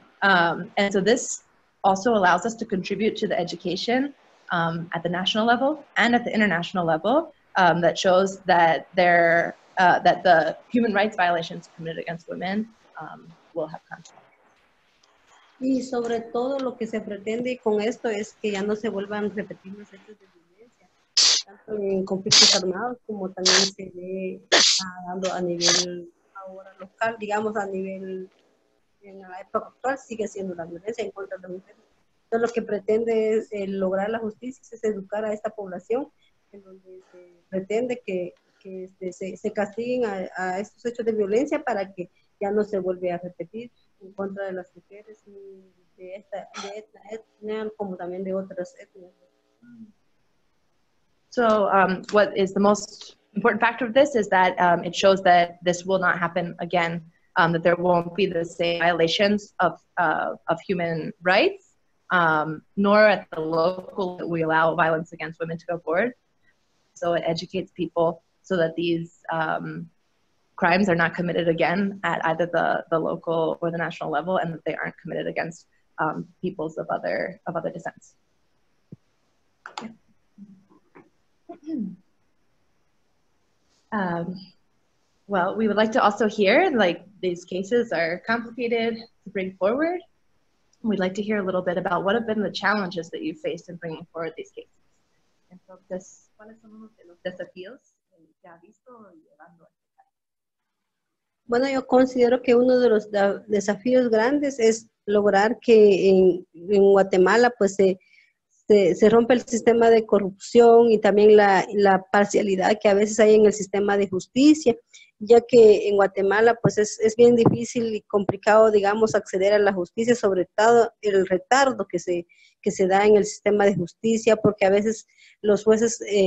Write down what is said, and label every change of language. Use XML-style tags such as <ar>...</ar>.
<en>And so this also allows us to contribute to the education at the national level and at the international level that shows that that the human rights violations committed against women will have consequences.</en> <es>Y sobre todo lo que se pretende con esto es que ya no se vuelvan a repetir los hechos de violencia, tanto en conflictos armados como también se ve dando a nivel ahora local, digamos a nivel en la época actual sigue siendo la violencia en contra de las mujeres. Entonces lo que pretende es lograr la justicia, es educar a esta población en donde se pretende que se castiguen a estos hechos de violencia para que ya no se vuelva a repetir. En contra de las mujeres de esta etnia como también de otras etnias.</es> <en>So what is the most important factor of this is that it shows that this will not happen again, that there won't be the same violations of human rights, nor at the local that we allow violence against women to go forward. So it educates people so that these crimes are not committed again at either the local or the national level, and that they aren't committed against peoples of other descents. Well, we would like to also hear, like, these cases are complicated to bring forward. We'd like to hear a little bit about what have been the challenges that you've faced in bringing forward these cases.</en> <es>Entonces, ¿cuáles son los desafíos que ha visto llevando? Bueno, yo considero que uno de los desafíos grandes es lograr que en Guatemala pues se rompa el sistema de corrupción y también la parcialidad que a veces hay en el sistema de justicia, ya que en Guatemala pues es bien difícil y complicado, digamos, acceder a la justicia, sobre todo el retardo que se da en el sistema de justicia, porque a veces los jueces</es>